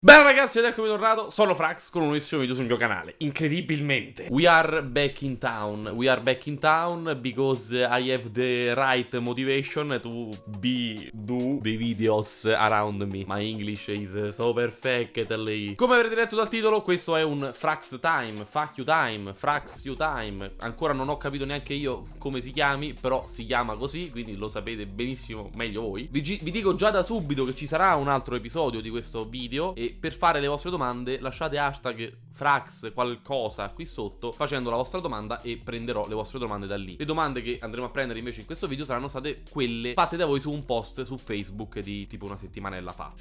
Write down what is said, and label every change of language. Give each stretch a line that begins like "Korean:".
Italian: Ben ragazzi, ed eccomi tornato, sono Frax con un nuovissimo video sul mio canale, incredibilmente.
English: We are back in town because I have the right motivation to be do the videos around me. My English is so perfect.
Italian: Come avrete letto dal titolo, questo è un Frax time,
English: fuck you time, Frax you time.
Italian: Ancora non ho capito neanche io come si chiami, però si chiama così, quindi lo sapete benissimo, meglio voi. Vi dico già da subito che ci sarà un altro episodio di questo video e per fare le vostre domande lasciate hashtag Frax qualcosa qui sotto facendo la vostra domanda e prenderò le vostre domande da lì. Le domande che andremo a prendere invece in questo video saranno state quelle fatte da voi su un post su Facebook di tipo una settimanella fa.